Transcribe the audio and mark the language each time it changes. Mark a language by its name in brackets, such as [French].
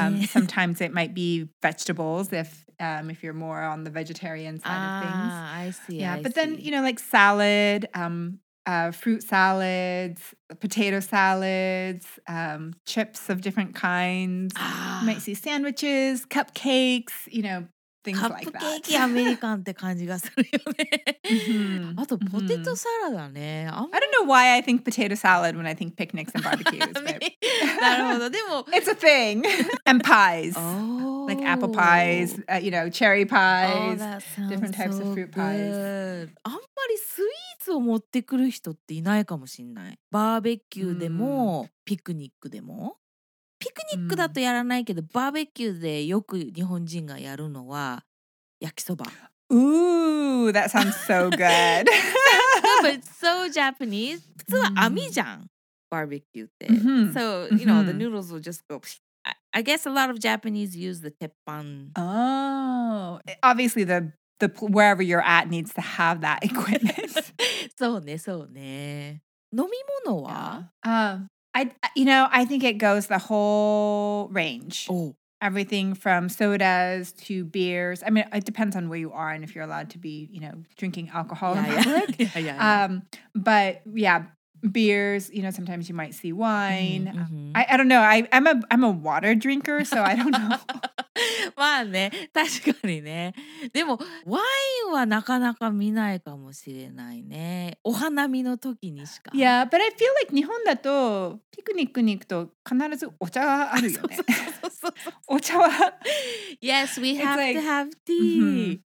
[English] sometimes it might be vegetables if you're more on the vegetarian side of things. Ah, I see. Yeah, I but see. Then, you know, like salad, fruit salads, potato salads, chips of different kinds. Ah. You might see sandwiches, cupcakes, you know, things like that. [Japanese] カップケーキアメリカンって感じがするよね。あとポテトサラダね。 [English] I don't know why I think potato salad when I think picnics and barbecues. [Japanese] なるほど。でも [English] It's a thing. And pies. Like apple pies, you know, cherry pies, different types of fruit pies. [Japanese] あんまりスイーツを持ってくる人っていないかもしれない。バーベキューでもピクニックでも。ピクニックだとやらないけど、バーベキューでよく日本人がやるのは焼きそば。 [English] Ooh, that sounds so good. But so Japanese. [Japanese] 普通は網じゃん、バーベキューって。 Mm-hmm. [English] So, you know, the noodles will just go... I guess a lot of Japanese use the teppan. Oh, obviously the wherever you're at needs to have that equipment. [Japanese] そうね、そうね。飲み物は？ [English] I think it goes the whole range. Oh. Everything from sodas to beers. I mean, it depends on where you are and if you're allowed to be, you know, drinking alcohol in public. But yeah, beers, you know, sometimes you might see wine. Mm-hmm. I don't know. I'm a water drinker, so I don't know. [Japanese] まあね、確かにね。でもワインはなかなか見ないかもしれないね。お花見の時にしか。 [English] Yeah, but I feel like [Japanese] 日本だとピクニックに行くと必ずお茶はあるよね。そうそうそう。お茶は。 [English] Yes, we have to have tea.